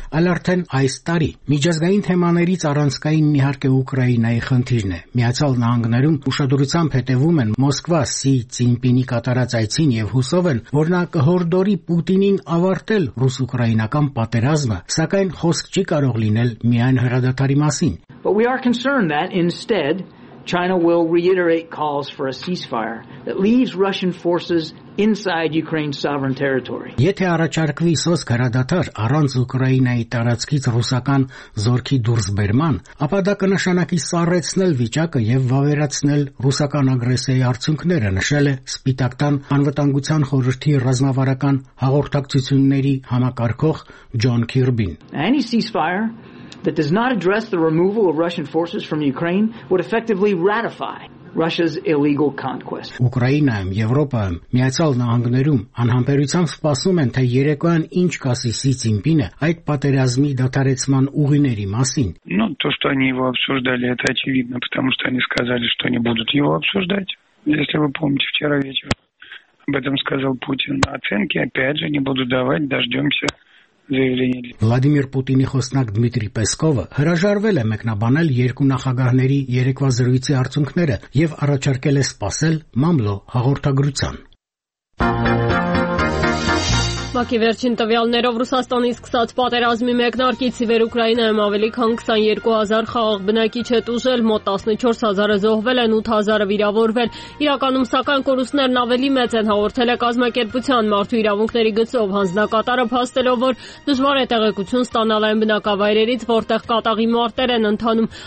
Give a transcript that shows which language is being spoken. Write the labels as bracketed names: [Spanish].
[Armenian] այլ արդեն այս տարի։ Միջազգային թեմաներից առանցքային իհարկե Ուկրաինայի խնդիրն է։ Միացյալ Նահանգներում ուշադրությամբ հետևում են Մոսկվա Սի Ցինպինի կատարած այցին եւ հուսով են, որ նա կհորդորի Պուտինին ավարտել ռուս-ուկրաինական պատերազմը, սակայն խոսք չի կարող լինել միայն հրադադարի մասին։ [English] But we are concerned that instead China will reiterate calls for a ceasefire that leaves Russian forces inside Ukraine's sovereign territory. [Armenian] Եթե առաջարկվի սոսկ հրադադար առանց Ուկրաինայի տարածքից ռուսական զորքի դուրս բերման, ապա դա կնշանակի սառեցնել վիճակը եւ վավերացնել ռուսական ագրեսիայի արդյունքները, նշել է Սպիտակտան անվտանգության խորհրդի ռազմավարական հաղորդակցությունների համակարգող Ջոն Քիրբին. [English] Any ceasefire that does not address the removal of Russian forces from Ukraine would effectively ratify Russia's illegal conquest. [Armenian] Ուկրաինայում, Եվրոպայում, Միացյալ Նահանգներում անհամբերությամբ սպասում են, թե երեկոյան ինչ կասի Սի Ցինպինը այդ պատերազմի դադարեցման ուղիների մասին. [Russian] Ну, то, что они его обсуждали, это очевидно, потому что они сказали, что не будут его обсуждать. Если вы помните, вчера вечером об этом сказал Путин. Оценки опять же не буду давать, дождёмся [Armenian] Վլադիմիր Պուտինի խոսնակ Դմիտրի Պեսկովը հրաժարվել է մեկնաբանել երկու նախագահների երեկվա զրույցի արդյունքները եւ առաջարկել է սպասել մամլո հաղորդագրության։ Մաքի վերջին տվյալներով Ռուսաստանի սկսած պատերազմի մեկնարկից ի վեր Ուկրաինայում ավելի քան 22000 խաղաղ բնակիչ է տուժել, մոտ 14000-ը զոհվել են, 8000-ը վիրավորվել։ Իրականում սակայն կորուստներն ավելի մեծ են, հաղորդել է կազմակերպության մարդու իրավունքների գծով, հանձնակատարը փաստելով, որ դժվար է տեղեկություն ստանալ այն բնակավայրերից, որտեղ կատաղի մարտեր են ընթանում։